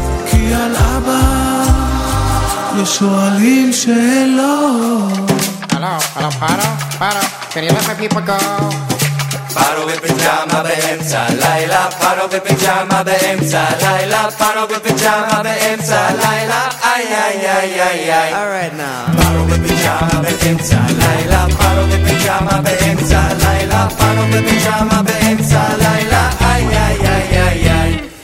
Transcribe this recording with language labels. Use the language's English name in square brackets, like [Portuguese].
[Hebrew] כי על אבא לא שואלים שאלות. הלו, הלו, פארו, פארו, [English] can you let my people go? [Hebrew] פארו בפיג'מה באמצע לילה, פארו בפיג'מה באמצע לילה, פארו בפיג'מה באמצע לילה, איי איי איי איי איי. [English] All right now. [Hebrew] פארו בפיג'מה באמצע לילה, פארו בפיג'מה באמצע לילה, פארו בפיג'מה באמצע לילה, איי איי איי איי איי.